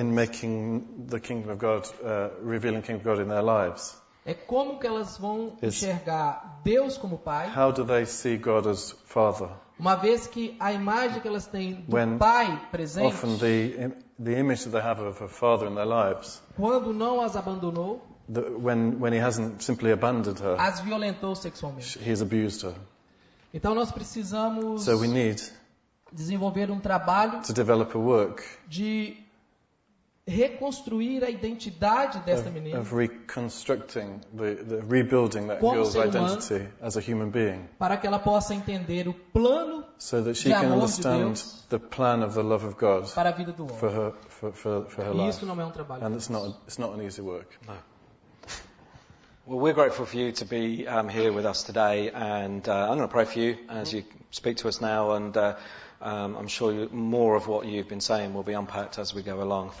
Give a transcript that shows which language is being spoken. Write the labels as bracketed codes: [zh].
[en] In making the kingdom of God, revealing kingdom of God in their lives. [pt] É como que elas vão enxergar Deus como pai? [en] How do they see God as father? [pt] Uma vez que a imagem que elas têm do pai presente. [en] Often the image that they have of a father in their lives. [pt] Quando não as abandonou? [en] When he hasn't simply abandoned her, [pt] as violentou sexualmente. [en] He's abused her. [pt] Então nós precisamos [en] so we need [pt] desenvolver um trabalho [en] to develop a work [pt] de reconstruir a identidade desta menina. [en] Of reconstructing the rebuilding that girl's identity as a human being. [pt] Para que ela possa entender o plano [en] so that she can understand the plan of the love of God [pt] para a vida do homem. [en] For her life. [pt] Isso não é um trabalho. [en] And it's not an easy work. No. Well, we're grateful for you to be here with us today, and I'm going to pray for you as you speak to us now, and I'm sure more of what you've been saying will be unpacked as we go along.